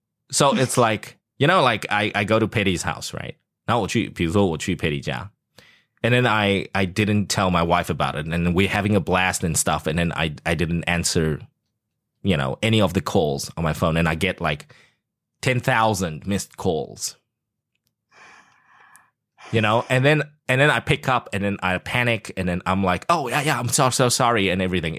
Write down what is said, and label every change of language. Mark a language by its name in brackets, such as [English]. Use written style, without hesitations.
[English] So, it's like, you know, like I go to Petty's house, right? [Chinese] 然后我去 Petty 家. [English] And then I didn't tell my wife about it. And we're having a blast and stuff. And then I didn't answer, you know, any of the calls on my phone, and I get like 10,000 missed calls, you know, and then I pick up and then I panic and then I'm like, oh yeah, I'm so, so sorry and everything.